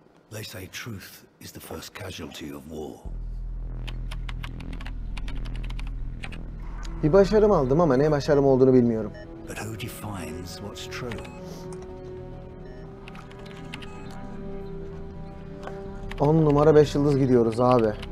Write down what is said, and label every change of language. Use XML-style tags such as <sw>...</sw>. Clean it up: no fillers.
<en>They say truth is the first casualty of war.</en> <tr>Bir başarım aldım ama ne başarım olduğunu bilmiyorum.</tr> <en>But who defines what's true?</en> <tr>On numara 5 yıldız gidiyoruz abi.</tr>